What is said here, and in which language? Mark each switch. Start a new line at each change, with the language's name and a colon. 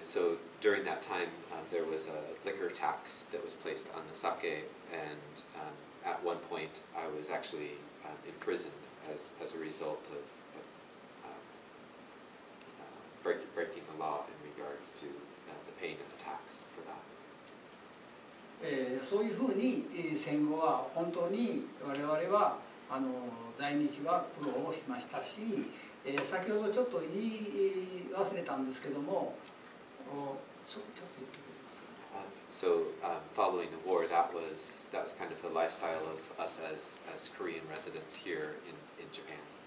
English: So during that time, there was a liquor tax that was placed on the sake, and at one point, I was actually imprisoned as a result of breaking the law in regards to the paying of the tax for that.
Japanese: そういうふうに戦後は本当に我々は在日は苦労をしましたし、先ほどちょっと言い忘れたんですけども、ちょっと言ってくれますか。
English: So, following the war, that was kind of the lifestyle of us as Korean residents here in Japan.